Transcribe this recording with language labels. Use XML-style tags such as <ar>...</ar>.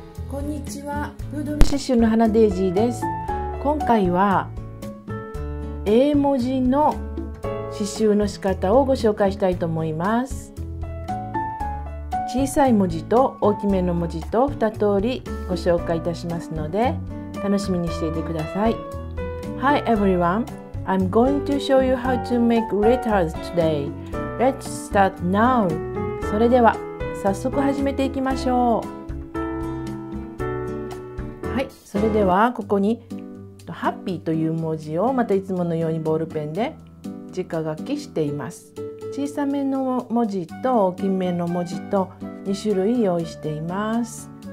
<ja>こんにちは、フードロス刺繍の花デイジーです。今回は A 文字の刺繍の仕方をご紹介したいと思います。小さい文字と大きめの文字と2通りご紹介いたしますので楽しみにしていてください。</ja> <en>Hi everyone, I'm going to show you how to make letters today. Let's start now.</en> <ja>それでは早速始めていきましょう。はい、それではここにハッピーという文字をまたいつものようにボールペンで直書きしています。小さめの文字と大きめの文字と2種類用意しています。</ja>